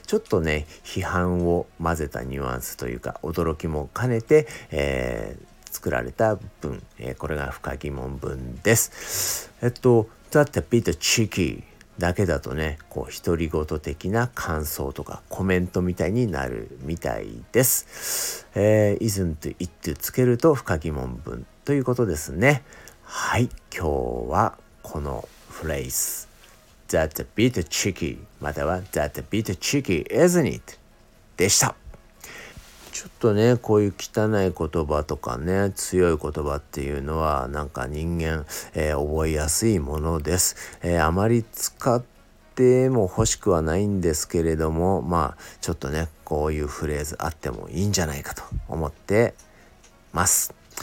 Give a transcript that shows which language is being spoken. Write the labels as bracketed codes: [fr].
[ja] ちょっとね、批判を混ぜたニュアンスというか驚きも兼ねて、作られた文、これが不可疑問文です。 [en] That's a bit cheeky [ja] だけだとね、こう独り言的な感想とかコメントみたいになるみたいです。 [en] isn't it [ja] つけると不可疑問文ということですね。はい、今日はこのフレーズ [en] That's a bit cheeky [ja] または [en] That's a bit cheeky, isn't it? [ja] でした。ちょっとね、こういう汚い言葉とかね、強い言葉っていうのはなんか人間、覚えやすいものです。あまり使っても欲しくはないんですけれども、まあちょっとね、こういうフレーズあってもいいんじゃないかと思ってます。